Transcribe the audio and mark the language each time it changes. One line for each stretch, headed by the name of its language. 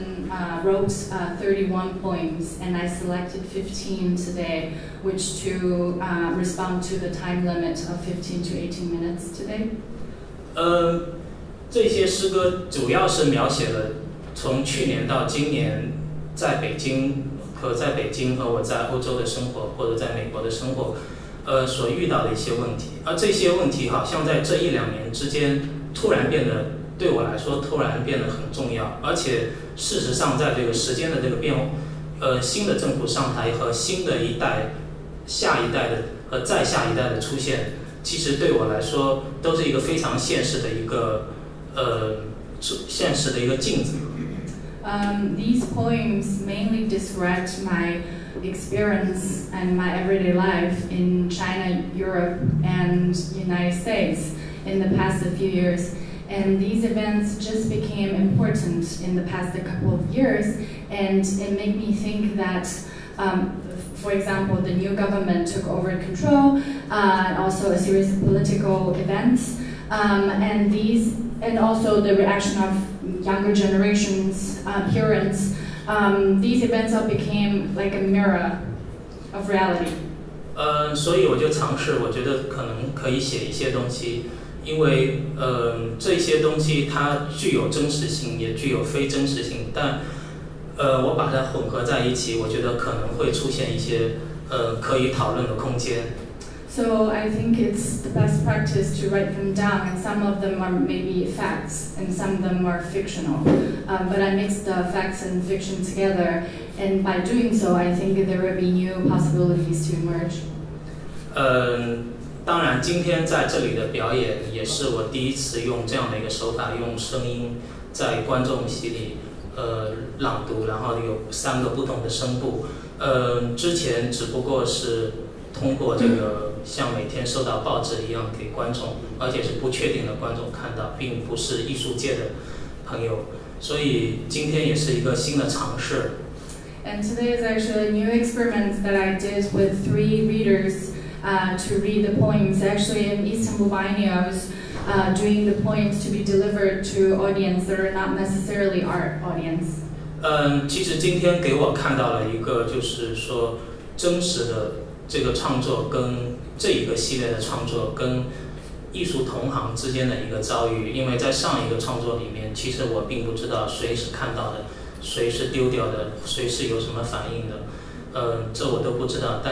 English: I wrote 31 poems, and I selected 15 today, which to respond to the time limit of 15 to 18 minutes today.
Chinese: 这些诗歌主要是描写了从去年到今年在北京和在北京和我在欧洲的生活或者在美国的生活所遇到的一些问题，而这些问题好像在这一两年之间突然变得，对我来说突然变得很重要，而且事实上在这个时间的这个变化新的政府上台和新的一代下一代的和再下一代的出现，其实对我来说都是一个非常现实的一个现实的一个镜子。
English: These poems mainly describe my experience and my everyday life in China, Europe, and United States in the past few years. And these events just became important in the past couple of years, and it made me think that, for example, the new government took over control, and also a series of political events, and also the reaction of younger generations, parents, these events all became like a mirror of reality.
Chinese: 所以我就尝试，我觉得可能可以写一些东西，因为这些东西它具有真实性，也具有非真实性，但我把它混合在一起，我觉得可能会出现一些可以讨论的空间。
English: So I think it's the best practice to write them down, and some of them are maybe facts, and some of them are fictional. But I mix the facts and fiction together, and by doing so, I think there will be new possibilities to emerge.
Chinese: 当然，今天在这里的表演也是我第一次用这样的一个手法，用声音在观众席里朗读，然后有三个不同的声部。之前只不过是通过这个。像每天收到报纸一样给观众，而且是不确定的观众看到，并不是艺术界的朋友，所以今天也是一个新的尝试。
English: And today is actually a new experiment that I did with three readers, to read the poems. Actually, in Eastern Albania, I was, doing the poems to be delivered to audience that are not necessarily art audience.
Chinese: 其实今天给我看到了一个，就是说真实的。这个创作跟这一个系列的创作跟艺术同行之间的一个遭遇，因为在上一个创作里面，其实我并不知道谁是看到的，谁是丢掉的，谁是有什么反应的，这我都不知道。